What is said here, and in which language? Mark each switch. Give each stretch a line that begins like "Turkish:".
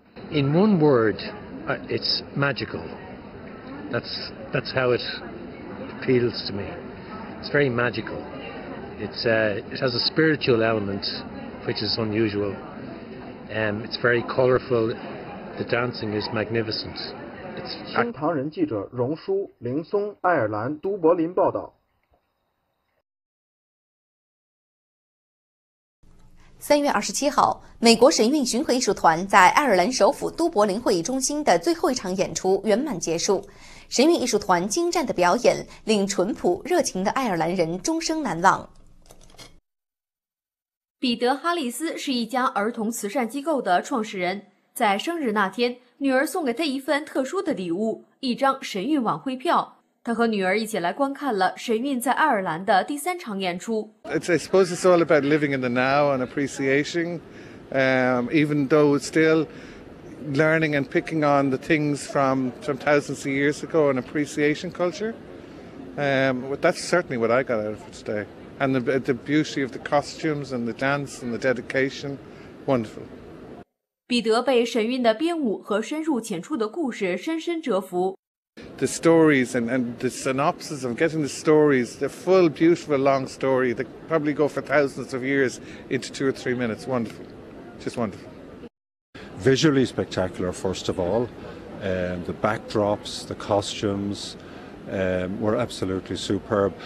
English: In one word, it's magical. That's how it appeals to me. It's very magical. It has a spiritual element, which is unusual. It's very colorful. The dancing is magnificent.
Chinese: 新唐人记者荣舒、林松，爱尔兰都柏林报道。 3月27号，美国神韵巡回艺术团在爱尔兰首府都柏林会议中心的最后一场演出圆满结束。神韵艺术团精湛的表演令淳朴热情的爱尔兰人终生难忘。彼得·哈里斯是一家儿童慈善机构的创始人，在生日那天，女儿送给他一份特殊的礼物，一张神韵晚会票。他和女儿一起来观看了神韵在爱尔兰的第三场演出。
English: I suppose it's all about living in the now and appreciation, even though still learning and picking on the things from thousands of years ago and appreciation culture. That's certainly what I got out of it today. And the beauty of the costumes and the dance and the dedication, wonderful.
Chinese: 彼得被神韵的编舞和深入浅出的故事深深折服。
English: The stories and the synopsis of getting the stories, the full, beautiful, long story that probably go for thousands of years into 2 or 3 minutes. Wonderful. Just wonderful. Visually spectacular, first of all. The backdrops, the costumes were absolutely superb.